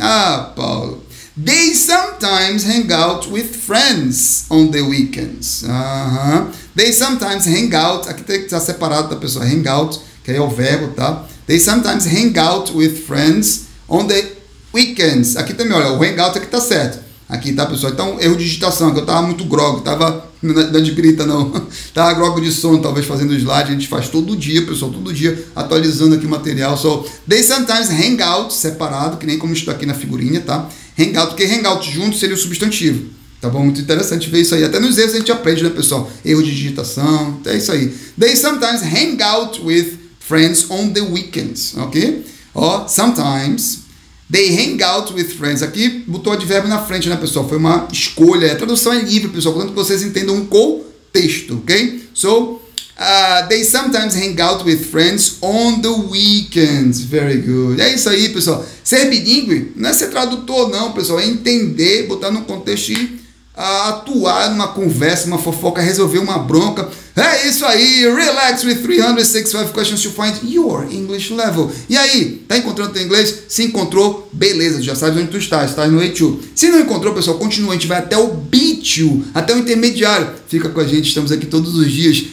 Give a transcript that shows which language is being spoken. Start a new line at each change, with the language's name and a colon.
English: Ah, Paulo. They sometimes hang out with friends on the weekends. Uh-huh. They sometimes hang out.
Portuguese: Aqui tem que estar separado da pessoa. Hang out, que que é o verbo, tá?
English: They sometimes hang out with friends on the weekends.
Portuguese: Aqui também, olha, o hang out aqui tá certo. Aqui, tá, pessoal? Então, erro de digitação, que eu tava muito grog, tava... Não é de grita, não. Tava grog de sono, talvez, fazendo slide. A gente faz todo dia, pessoal, todo dia, atualizando aqui o material. So, they sometimes hang out, separado, que nem como estou aqui na figurinha, tá? Hang out, porque hang out junto seria o substantivo. Tá bom? Muito interessante ver isso aí. Até nos erros a gente aprende, né, pessoal? Erro de digitação, é isso aí.
English: They sometimes hang out with friends on the weekends, ok? Oh, sometimes... They hang out with friends.
Portuguese: Aqui botou o advérbio na frente, né, pessoal? Foi uma escolha. A tradução é livre, pessoal. Portanto, vocês entendam um contexto, ok?
English: So, they sometimes hang out with friends on the weekends. Very good.
Portuguese: É isso aí, pessoal. Ser bilíngue não é ser tradutor, não, pessoal. É entender, botar no contexto e atuar numa conversa, numa fofoca, resolver uma bronca. É isso aí.
English: Relax with 365 questions to find your English level.
Portuguese: E aí, tá encontrando teu inglês? Se encontrou, beleza, já sabes onde tu estás, está no E2. Se não encontrou, pessoal, continua, a gente vai até o B2, até o intermediário. Fica com a gente, estamos aqui todos os dias.